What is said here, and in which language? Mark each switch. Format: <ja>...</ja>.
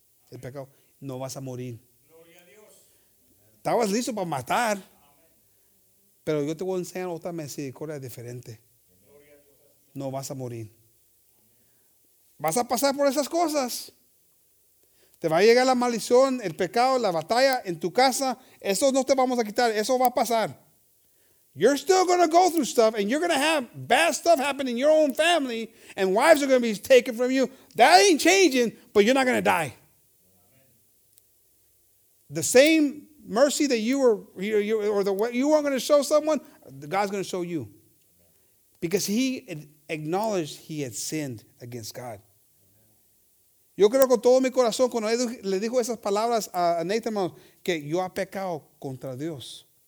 <es>El pecado, no vas a morir. Estabas listo para matar. Pero yo te voy a enseñar otra misericordia diferente. No vas a morir. Vas a pasar por esas cosas. Te va a llegar la maldición, el pecado, la batalla en tu casa. Eso no te vamos a quitar. Eso va a pasar.</es> <en>You're still going to go through stuff, and you're going to have bad stuff happen in your own family, and wives are going to be taken from you. That ain't changing, but you're not going to die. The same mercy that you were, or the way you weren't going to show someone, God's going to show you. Because he acknowledged he had sinned against God.</en> <es>Yo creo con todo mi corazón cuando él le dijo esas palabras a Nathan, hermanos, que yo ha pecado contra Dios.</es>